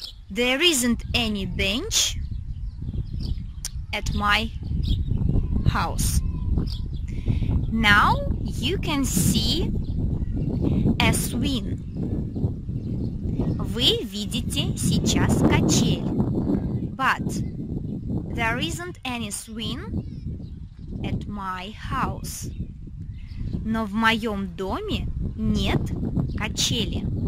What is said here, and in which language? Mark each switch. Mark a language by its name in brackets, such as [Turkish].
[English] There isn't any bench at my house. Now you can see a swing. [Russian] Вы видите сейчас качель. [English] But there isn't any swing at my house. [Russian] Но в моем доме нет качели.